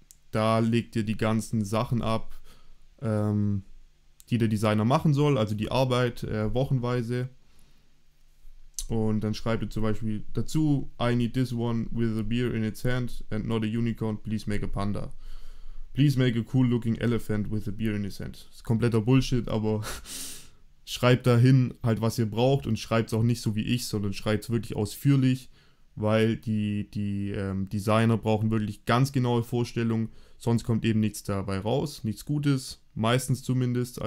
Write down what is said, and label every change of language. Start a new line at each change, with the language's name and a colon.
German: Da legt ihr die ganzen Sachen ab, die der Designer machen soll, also die Arbeit wochenweise. Und dann schreibt ihr zum Beispiel dazu:
English: I need this one with a beer in its hand and not a unicorn. Please make a panda. Please make a cool looking elephant with a beer in his hand.
German: Das ist kompletter Bullshit, aber schreibt dahin halt, was ihr braucht und schreibt es auch nicht so wie ich, sondern schreibt es wirklich ausführlich, weil die Designer brauchen wirklich ganz genaue Vorstellungen. Sonst kommt eben nichts dabei raus, nichts Gutes, meistens zumindest.